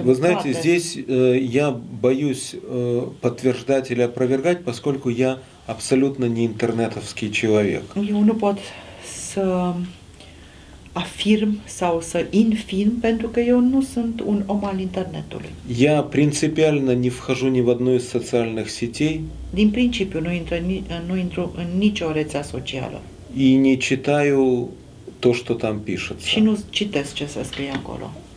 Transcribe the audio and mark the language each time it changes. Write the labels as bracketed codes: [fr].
[ru] Вы знаете, здесь я боюсь подтверждать или опровергать, поскольку я абсолютно не интернетовский человек. [ro] Eu nu pot să afirm sau să infirm, pentru că eu nu sunt un om al internetului. [ru] Я принципиально не вхожу ни в одну из социальных сетей. [ro] Din principiu nu intru în nicio rețea socială. [ru] И не читаю то, что там пишется. [ro] Și nu citesc ce se scrie acolo.